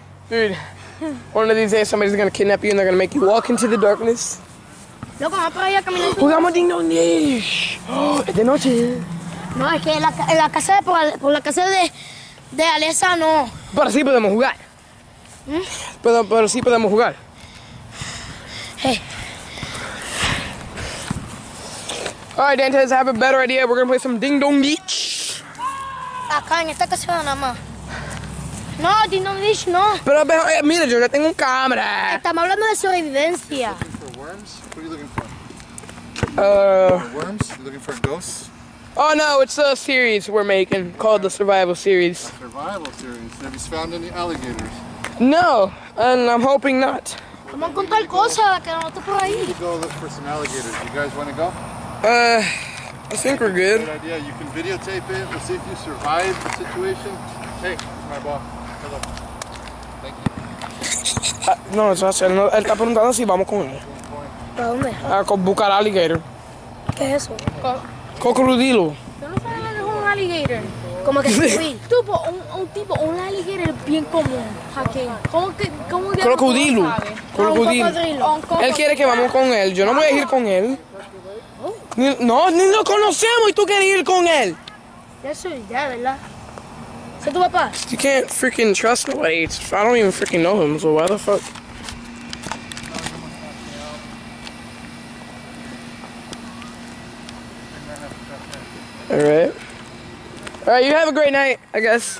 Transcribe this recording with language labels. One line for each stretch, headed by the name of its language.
English: Dude, one of these days somebody's gonna kidnap you and they're gonna make you walk into the darkness.
Spanish: Jugamos Ding Dong Dish. Es de noche. No, es que la casa por la casa de Alessa no. Pero sí podemos jugar. ¿Mm? Pero sí podemos jugar.
English: Hey. All right, Dantes, I have a better idea. We're gonna play some Ding Dong Ditch.
Spanish: Acá en esta casa nada más. No, Ding Dong Ditch no. Pero mira, yo ya tengo una cámara. Estamos hablando de sobrevivencia.
English: Looking for worms? What are you looking for? Worms? You looking for ghosts? Oh no, it's a series we're making called the Survival Series. A survival series. Have you found any alligators? No, and I'm hoping not.
Spanish: Vamos a encontrar cosas que no está por ahí.
English: Go look for some alligators. You guys want to go? I think we're good. Good idea. You can videotape it. Let's see if you survive the situation. Hey, my boss. Hello.
Spanish: No, eso es él, él está preguntando si vamos con él. ¿Para dónde? A buscar alligator. ¿Qué es eso? Cocodrilo. ¿Tú no sabes dónde es un alligator? ¿Cómo que es tipo, un alligator bien común, Joaquín. ¿Cómo que? Crocodilo. Crocodilo. Él quiere que vamos con él. Yo no voy a ir con él. Ni lo conocemos y tú quieres ir con él. Ya soy ya, ¿verdad?
English: You can't freaking trust nobody. I don't even freaking know him, so why the fuck? Alright. Alright, you have a great night, I guess.